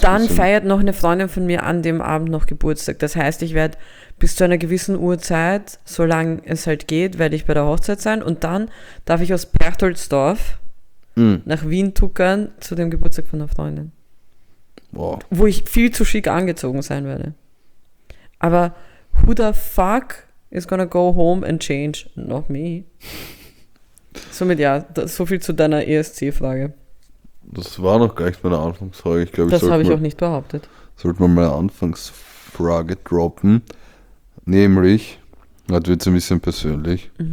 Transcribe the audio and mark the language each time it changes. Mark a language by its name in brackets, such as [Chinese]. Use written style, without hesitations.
[German] dann bisschen feiert noch eine Freundin von mir an dem Abend noch Geburtstag. Das heißt, ich werde bis zu einer gewissen Uhrzeit, solange es halt geht, werde ich bei der Hochzeit sein. Und dann darf ich aus Berchtoldsdorf nach Wien tuckern zu dem Geburtstag von der Freundin. Boah. Wo ich viel zu schick angezogen sein werde. [English] Aber who the fuck is gonna go home and change? Not me. [German] Somit ja, so viel zu deiner ESC-Frage. Das war noch gar nicht meine Anfangsfrage. Ich glaube, das habe ich auch nicht behauptet. Sollte man meine Anfangsfrage droppen. Nämlich, das wird ein bisschen persönlich.